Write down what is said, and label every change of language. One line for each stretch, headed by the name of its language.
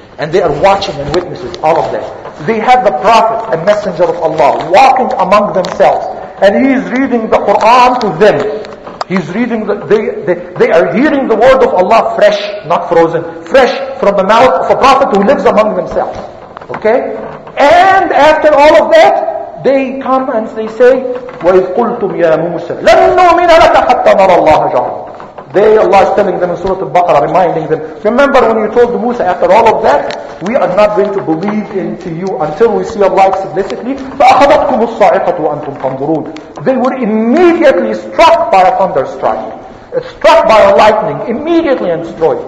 English: And they are watching and witnesses all of that. They had the Prophet, a messenger of Allah, walking among themselves. And he is reading the Quran to them. He's reading they are hearing the word of Allah fresh, not frozen, fresh from the mouth of a Prophet who lives among themselves. Okay? And after all of that, they come and they say,
Arabic: وَإِذْ قُلْتُمْ يَا مُوسَى لَنْ نُؤْمِنَ لَكَ حَتَّى نَرَى اللَّهَ جَهْرًا.
English: They, Allah is telling them in Surah Al-Baqarah, reminding them, remember when you told Musa, after all of that, we are not going to believe into you until we see Allah explicitly.
Arabic: فَأَخَذَتْكُمُ الصَّاعِقَةُ وَأَنْتُمْ تَنْظُرُونَ.
English: They were immediately struck by a thunder strike, struck by a lightning, immediately and destroyed.